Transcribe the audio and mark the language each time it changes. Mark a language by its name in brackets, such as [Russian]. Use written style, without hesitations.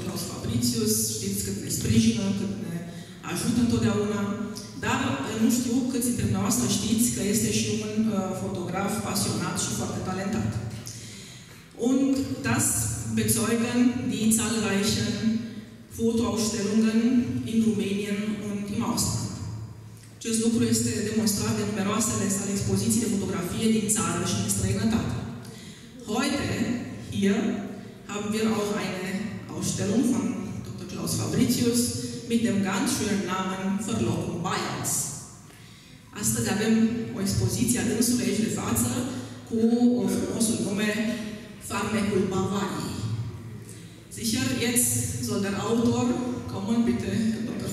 [Romanian] Claus Fabricius, știți cât ne sprijină, cât ne ajută întotdeauna, dar nu știu câți dintre noastre știți că este și un fotograf pasionat și foarte talentat. [German] Und das bezeugen die zahlreichen Fotoausstellungen in Rumänien und im Ausland. [Romanian] Acest lucru este demonstrat de numeroasele sale expoziții de fotografie din țară și din străinătate. [German] Heute, hier, haben wir auch eine Ausstellung von Dr. Claus Fabricius mit dem ganz schönen Namen Verlobung Bayerns. [Romanian] Astăzi avem o expoziție a dânsului aici de față cu o frumosul nume Farmecul Bavarii. [German] Sicher, jetzt soll der Autor kommen, bitte, Dr.